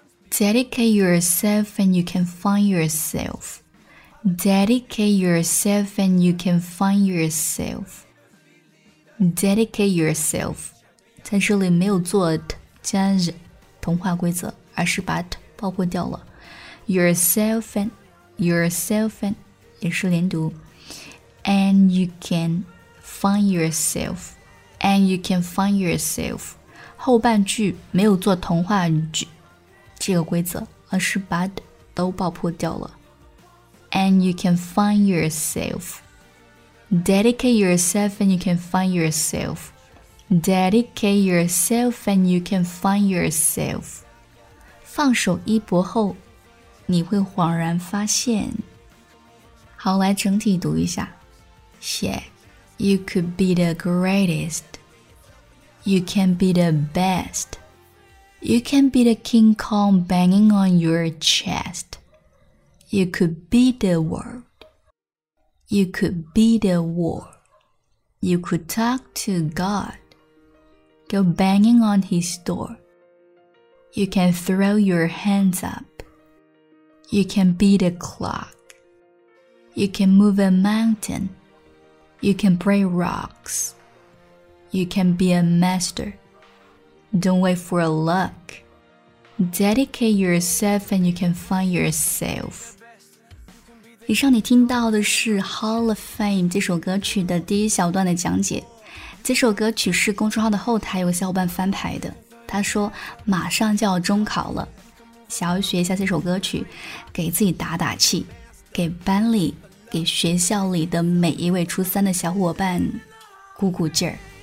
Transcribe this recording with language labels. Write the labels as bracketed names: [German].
[English] Dedicate yourself and you can find yourself. Dedicate yourself and you can find yourself. Dedicate yourself. [Chinese] 在这里没有做 t 加 z 同化规则，而是把 t 包括掉了。 [English] Yourself and yourself and [Chinese] 也是连读。 [English] And you can find yourself. And you can find yourself. [Chinese] 后半句没有做同化句这个规则，而是把 t 都包括掉了。 [English] And you can find yourself. Dedicate yourself and you can find yourself. Dedicate yourself and you can find yourself. [Chinese] 放手一搏后你会恍然发现。好来整体读一下。 [English] Yeah. You could be the greatest. You can be the best. You can be the King Kong banging on your chest. You could be the world. You could be the world. You could talk to God. Go banging on his door. You can throw your hands up. You can be the clock. You can move a mountain. You can break rocks. You can be a master. Don't wait for luck. Dedicate yourself and you can find yourself. [Chinese] 以上你听到的是 Hall of Fame 这首歌曲的第一小段的讲解。这首歌曲是公众号的后台有个小伙伴翻拍的，他说马上就要中考了，想要学一下这首歌曲，给自己打打气，给班里给学校里的每一位初三的小伙伴鼓鼓劲儿。